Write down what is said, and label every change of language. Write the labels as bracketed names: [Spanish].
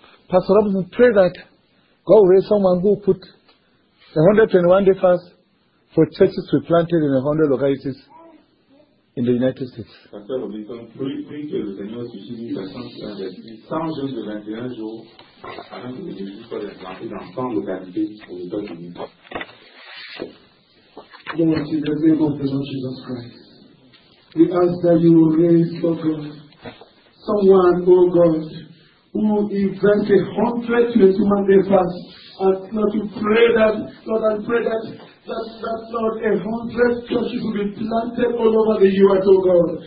[English] Pastor Robinson, pray that God will raise someone who put 121 days fast for churches to be planted in 100 localities in the United States. [French] Pastor Robinson, pray que le Seigneur suscite une personne qui investit 100 jeunes de 21 jours afin que les églises soient implantées dans 100 localités aux États-Unis. [English] Lord, in the name of the Lord Jesus Christ, we ask that you will raise, O God, someone, O God, who invests 121 days fast. And Lord, we pray that, Lord, I pray that Lord, 100 churches will be planted all over the U.S., O God.